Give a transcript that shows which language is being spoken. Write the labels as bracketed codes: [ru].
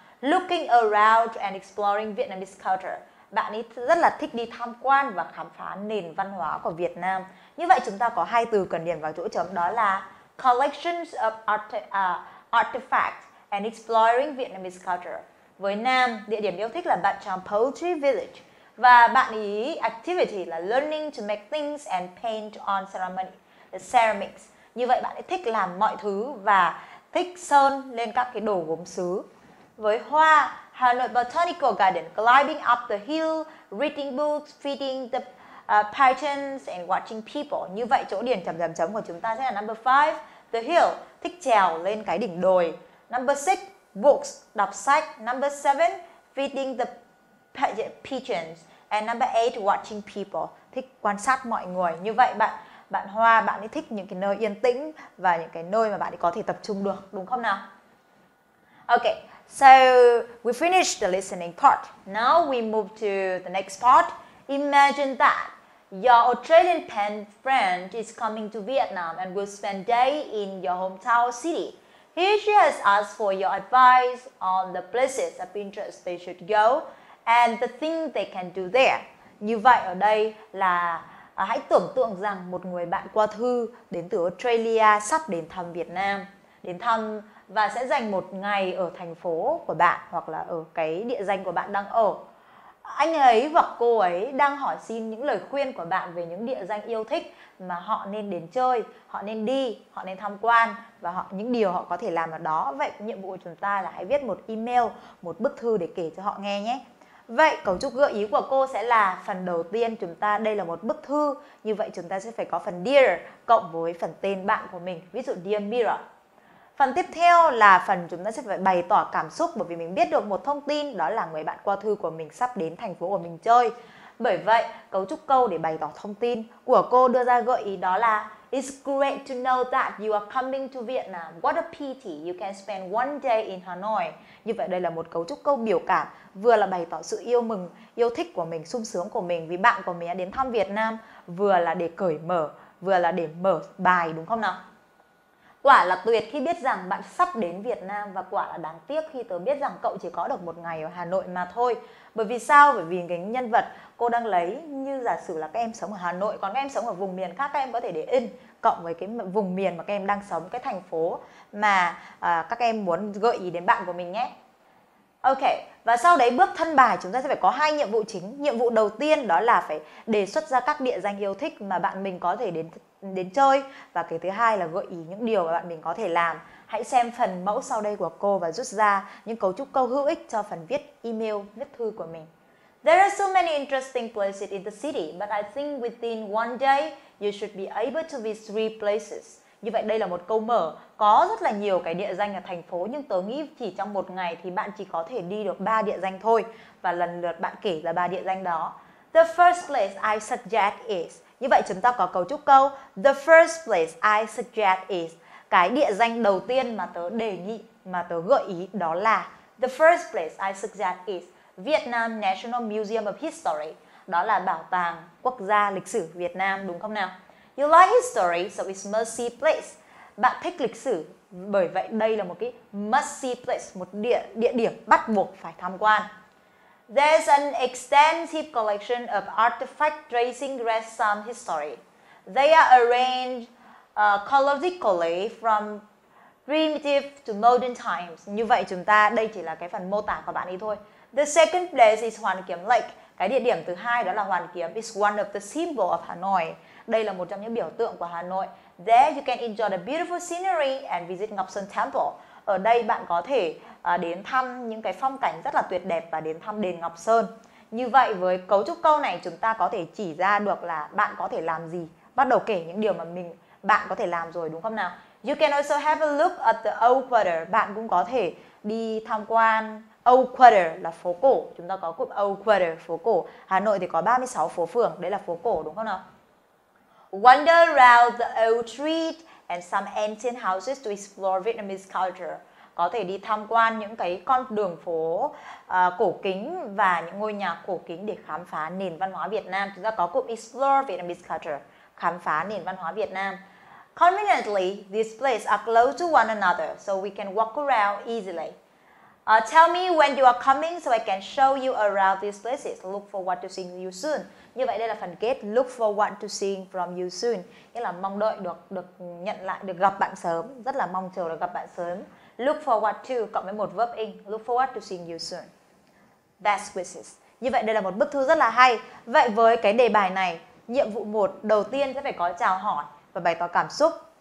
[en] Looking around and exploring Vietnamese culture. [vi] Bạn ý rất là thích đi tham quan và khám phá nền văn hóa của Việt Nam. Như vậy chúng ta có hai từ cần điền vào chỗ chấm đó là [en] collections of artifacts and exploring Vietnamese culture. [vi] Với Nam, địa điểm yêu thích là Bạc Tràng Poetry Village. Và bạn ý [en] activity là learning to make things and paint on ceramic, the ceramics. [vi] Như vậy bạn ấy thích làm mọi thứ và thích sơn lên các cái đồ gốm sứ. Với Hoa, [en] Hà Nội Botanical Garden, climbing up the hill, reading books, feeding the pigeons and watching people. [vi] Như vậy chỗ điền chấm chấm chấm của chúng ta sẽ là [en] number 5, the hill, [vi] thích trèo lên cái đỉnh đồi. [en] Number 6, books, [vi] đọc sách. [en] Number 7, feeding the pigeons. And number 8, watching people, [vi] thích quan sát mọi người. Như vậy bạn Hoa, bạn ấy thích những cái nơi yên tĩnh và những cái nơi mà bạn ấy có thể tập trung được, đúng không nào? [en] Ok, so we finished the listening part. Now we move to the next part. Imagine that your Australian pen friend is coming to Vietnam and will spend day in your hometown city. Here she has asked for your advice on the places of interest they should go and the thing they can do there. [vi] Như vậy ở đây là hãy tưởng tượng rằng một người bạn qua thư đến từ Australia sắp đến thăm Việt Nam, đến thăm và sẽ dành một ngày ở thành phố của bạn hoặc là ở cái địa danh của bạn đang ở. Anh ấy hoặc cô ấy đang hỏi xin những lời khuyên của bạn về những địa danh yêu thích mà họ nên đến chơi, họ nên đi, họ nên tham quan và những điều họ có thể làm ở đó. Vậy nhiệm vụ của chúng ta là hãy viết một email, một bức thư để kể cho họ nghe nhé. Vậy cấu trúc gợi ý của cô sẽ là phần đầu tiên chúng ta, đây là một bức thư. Như vậy chúng ta sẽ phải có phần Dear cộng với phần tên bạn của mình, ví dụ Dear Mira. Phần tiếp theo là phần chúng ta sẽ phải bày tỏ cảm xúc bởi vì mình biết được một thông tin đó là người bạn qua thư của mình sắp đến thành phố của mình chơi. Bởi vậy, cấu trúc câu để bày tỏ thông tin của cô đưa ra gợi ý đó là [en] It's great to know that you are coming to Vietnam. What a pity you can spend one day in Hanoi. [vi] Như vậy đây là một cấu trúc câu biểu cảm, vừa là bày tỏ sự yêu mừng, yêu thích của mình, sung sướng của mình vì bạn của mình đã đến thăm Việt Nam, vừa là để cởi mở, vừa là để mở bài, đúng không nào? Quả là tuyệt khi biết rằng bạn sắp đến Việt Nam, và quả là đáng tiếc khi tớ biết rằng cậu chỉ có được một ngày ở Hà Nội mà thôi. Bởi vì sao? Bởi vì cái nhân vật cô đang lấy, như giả sử là các em sống ở Hà Nội, còn các em sống ở vùng miền khác, các em có thể để in cộng với cái vùng miền mà các em đang sống, cái thành phố mà các em muốn gợi ý đến bạn của mình nhé. Ok, và sau đấy bước thân bài, chúng ta sẽ phải có hai nhiệm vụ chính. Nhiệm vụ đầu tiên đó là phải đề xuất ra các địa danh yêu thích mà bạn mình có thể đến chơi. Và cái thứ hai là gợi ý những điều mà bạn mình có thể làm. Hãy xem phần mẫu sau đây của cô và rút ra những cấu trúc câu hữu ích cho phần viết email, viết thư của mình. [en] There are so many interesting places in the city, but I think within one day you should be able to visit three places. [vi] Như vậy đây là một câu mở, có rất là nhiều cái địa danh ở thành phố, nhưng tớ nghĩ chỉ trong một ngày thì bạn chỉ có thể đi được 3 địa danh thôi. Và lần lượt bạn kể là 3 địa danh đó. [en] The first place I suggest is. [vi] Như vậy chúng ta có cấu trúc câu [en] the first place I suggest is. [vi] Cái địa danh đầu tiên mà tớ đề nghị, mà tớ gợi ý đó là [en] the first place I suggest is Vietnam National Museum of History. [vi] Đó là bảo tàng quốc gia lịch sử Việt Nam, đúng không nào? [en] You like history, so it's must see place. [vi] Bạn thích lịch sử, bởi vậy đây là một cái must see place, một địa điểm bắt buộc phải tham quan. [en] There's an extensive collection of artifacts tracing great sum history. They are arranged chronologically from primitive to modern times. [vi] Như vậy chúng ta, đây chỉ là cái phần mô tả của bạn ấy thôi. [en] The second place is Hoàn Kiếm Lake. [vi] Cái địa điểm thứ hai đó là Hoàn Kiếm. [en] It's one of the symbols of Hanoi. [vi] Đây là một trong những biểu tượng của Hà Nội. [en] There you can enjoy the beautiful scenery and visit Ngọc Sơn Temple. [vi] Ở đây bạn có thể đến thăm những cái phong cảnh rất là tuyệt đẹp và đến thăm đền Ngọc Sơn. Như vậy với cấu trúc câu này chúng ta có thể chỉ ra được là bạn có thể làm gì. Bắt đầu kể những điều mà bạn có thể làm rồi, đúng không nào? [en] You can also have a look at the old quarter. [vi] Bạn cũng có thể đi tham quan old quarter là phố cổ. Chúng ta có cụm old quarter, phố cổ. Hà Nội thì có 36 phố phường, đấy là phố cổ, đúng không nào? [en] Wander around the old street and some ancient houses to explore Vietnamese culture. [vi] Có thể đi tham quan những cái con đường phố cổ kính và những ngôi nhà cổ kính để khám phá nền văn hóa Việt Nam. Chúng ta có cụm [en] explore Vietnamese culture, [vi] khám phá nền văn hóa Việt Nam. [en] Conveniently, these places are close to one another, so we can walk around easily. Tell me when you are coming so I can show you around these places. Look forward to seeing you soon. [vi] Như vậy đây là phần kết, [en] look forward to seeing from you soon, [vi] nghĩa là mong đợi được nhận lại, được gặp bạn sớm, rất là mong chờ được gặp bạn sớm. [en] Look forward to [vi] cộng với một [en] verb ing, look forward to seeing you soon. Best wishes. [vi] Như vậy đây là một bức thư rất là hay. Vậy với cái đề bài này, nhiệm vụ 1 đầu tiên sẽ phải có chào hỏi và bày tỏ cảm xúc.